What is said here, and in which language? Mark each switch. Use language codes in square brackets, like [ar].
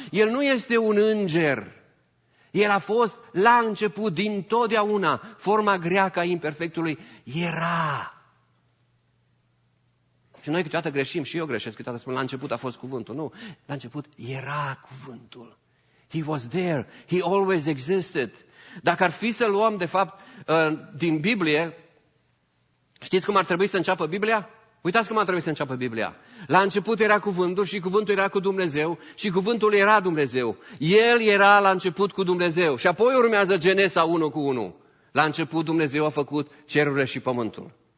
[ro] El nu este un înger. El a fost la început, dintotdeauna, forma greacă a imperfectului, era. Și noi câteodată greșim, și eu greșesc, câteodată spun, la început a fost cuvântul. Nu, la început era cuvântul. [en] He was there, he always existed. [ro] Dacă ar fi să luăm, de fapt, din Biblie, știți cum ar trebui să înceapă Biblia? Uitați cum ar trebui să înceapă Biblia. La început era cuvântul și cuvântul era cu Dumnezeu și cuvântul era Dumnezeu. El era la început cu Dumnezeu și apoi urmează Genesa 1:1. La început Dumnezeu a făcut cerurile și pământul.